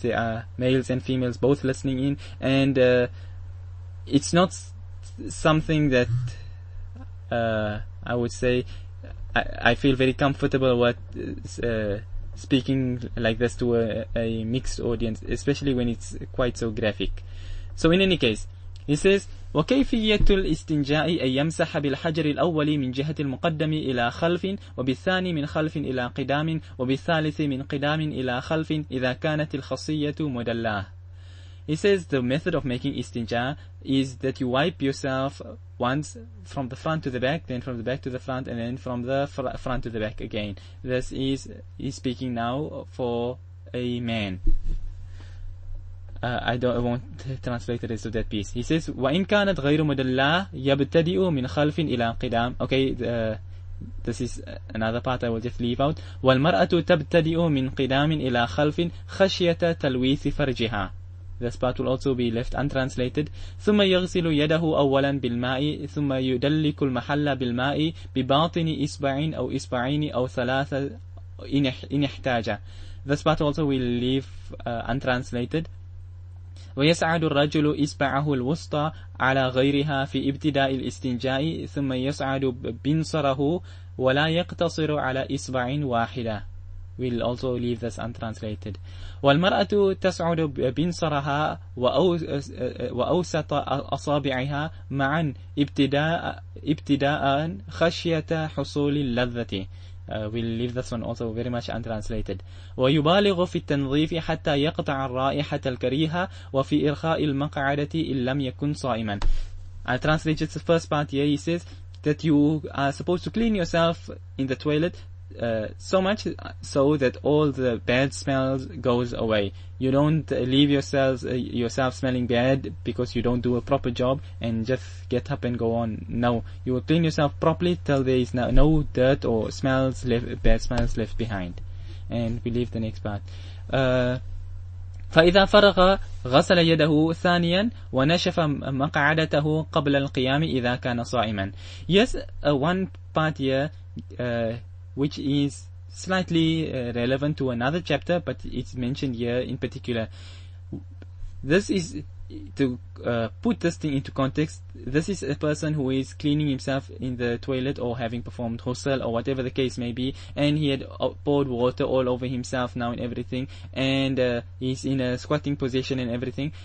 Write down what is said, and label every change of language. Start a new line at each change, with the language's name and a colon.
English: There are males and females both listening in, and it's not something that I would say I feel very comfortable with speaking like this to a mixed audience, especially when it's quite so graphic. So in any case, he says,
Arabic: وَكَيْفِيَّةُ الْإِسْتِنْجَاءِ أَنْ يَمْسَحَ بِالْحَجَرِ الْأَوَّلِ مِنْ جِهَةِ الْمُقَدَّمِ إِلَى خَلْفٍ وَبِالثَّانِي مِنْ خَلْفٍ إِلَى قِدَامٍ وَبِالثَّالِثِ مِنْ قِدَامٍ إِلَى خَلْفٍ إِذَا كَانَتِ الْخَصِيَّةُ مُدَلَّاهُ.
English: He says the method of making istinja is that you wipe yourself once from the front to the back, then from the back to the front, and then from the front to the back again. This is, he's speaking now for a man. I won't translate the rest of that piece. He says,
Arabic: وَإِن كَانَتْ غَيْرُ مُدَلَّهُ يَبْتَدِئُ مِنْ خَلْفٍ إِلَىٰ قِدَامٍ.
English: Okay, This is another part I will just leave out.
Arabic: والمرأة تبتدئ من قدام إلى خلف خشية تلويث فرجها.
English: This part will also be left untranslated.
Arabic: ثم يغسل يده أولا بالماء ثم يدلك المحل بالماء بباطن إصبعين أو إصبعين أو ثلاثة إن احتاج.
English: This part also will leave untranslated.
Arabic: ويصعد الرجل إصبعه الوسطى على غيرها في ابتداء الاستنجاء ثم يصعد بنصره ولا يقتصر على إصبع واحدة.
English: We'll also leave this untranslated.
Arabic: والمرأة تصعد بنصرها وأوسط أصابعها معا ابتداء خشية حصول اللذة.
English: We'll leave this one also very much untranslated.
Arabic: ويبالغ في التنظيف حتى يقطع الرائحة الكريهة وفي إرخاء المقعدة إن لم يكن صائما.
English: I'll translate just the first part here. He says that you are supposed to clean yourself in the toilet so much so that all the bad smells goes away. You don't leave yourself smelling bad because you don't do a proper job and just get up and go on. No, you will clean yourself properly till there is no dirt or smells left, bad smells left behind. And we leave the next part.
Arabic: فإذا فرغ غسل يده ثانيا ونشف مقعدته قبل القيام إذا كان صائما.
English: Yes, one part here, which is slightly relevant to another chapter, but it's mentioned here in particular. This is, to put this thing into context, this is a person who is cleaning himself in the toilet or having performed ghusl or whatever the case may be, and he had poured water all over himself now and everything, and he's in a squatting position and everything.